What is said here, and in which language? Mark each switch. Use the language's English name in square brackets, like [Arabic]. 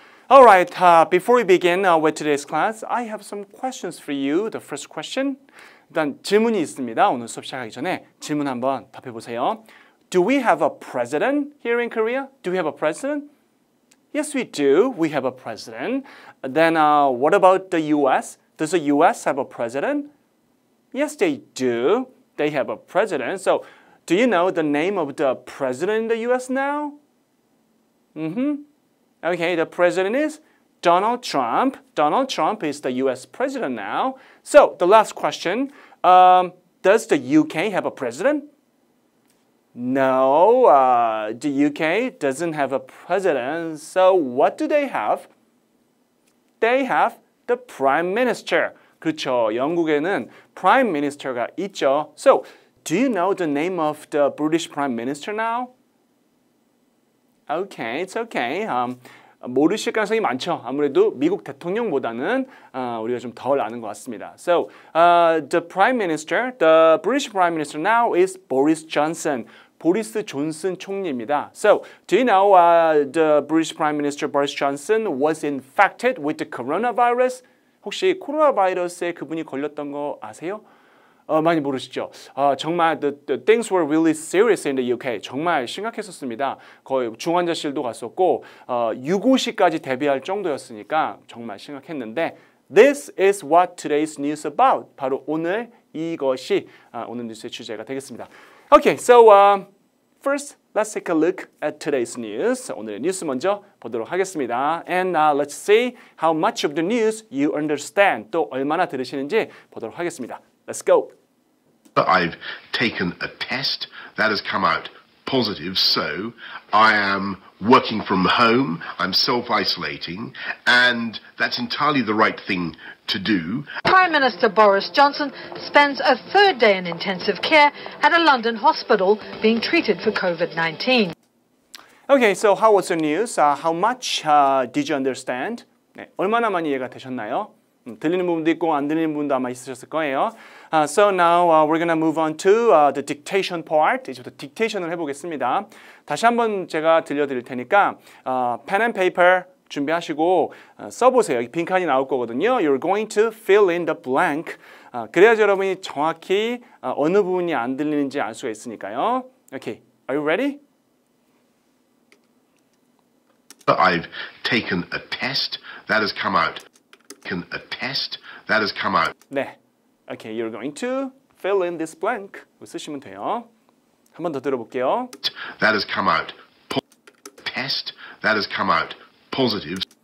[English] All right, before we begin with today's class, I have some questions for you. The first question, [Korean] 일단 질문이 있습니다. 오늘 수업 시작하기 전에 질문 한번 답해보세요. [English] Do we have a president here in Korea? Do we have a president? Yes, we do. We have a president. Then what about the U.S.? Does the U.S. have a president? Yes, they do. They have a president. So, do you know the name of the president in the U.S. now? Okay, the president is Donald Trump. Donald Trump is the U.S. president now. So, the last question. Does the U.K. have a president? No, the U.K. doesn't have a president. So, what do they have? They have the prime minister. [Korean] 그렇죠. 영국에는 [English] prime minister가 있죠. So, do you know the name of the British prime minister now? Okay, it's okay. [Korean] 모르실 가능성이 많죠. 아무래도 미국 대통령보다는 우리가 좀 덜 아는 것 같습니다. [English] So, the prime minister, the British prime minister now is Boris Johnson. [Korean] 보리스 존슨 총리입니다. [English] So, do you know the British prime minister Boris Johnson was infected with the coronavirus? [Korean] 혹시 코로나 바이러스에 그분이 걸렸던 거 아세요? 많이 모르시죠? 정말 [English] the things were really serious in the UK. [Korean] 정말 심각했었습니다. 거의 중환자실도 갔었고 유고시까지 대비할 정도였으니까 정말 심각했는데 [English] This is what today's news about. [Korean] 바로 오늘 이것이 오늘 뉴스의 주제가 되겠습니다. [English] Okay, so first let's take a look at today's news. [Korean] 오늘의 뉴스 먼저 보도록 하겠습니다. [English] And let's see how much of the news you understand. [Korean] 또 얼마나 들으시는지 보도록 하겠습니다. [English] Let's go. I've taken a test that has come out positive, so I am working from home. I'm self-isolating, and that's entirely the right thing to do. Prime Minister Boris Johnson spends a third day in intensive care at a London hospital being treated for COVID-19. Okay, so how was the news? How much did you understand? [Korean] 네, 얼마나 많이 이해가 되셨나요? 들리는 부분도 있고 안 들리는 부분도 아마 있으셨을 거예요. [English] So now we're going to move on to the dictation part. [Korean] 이제부터 dictation을 해보겠습니다. 다시 한번 제가 들려드릴 테니까 [English] pen and paper [Korean] 준비하시고 써보세요. 여기 빈칸이 나올 거거든요. [English] You're going to fill in the blank. [Korean] 그래야지 여러분이 정확히 어느 부분이 안 들리는지 알 수가 있으니까요. [English] Okay, are you ready? I've taken a test that has come out. A test that has come out. [Korean] 네. [English] Okay, you're going to fill in this blank. [Korean] 쓰시면 돼요. 한 번 더 들어볼게요. [English] That has come out. Test that has come out positive.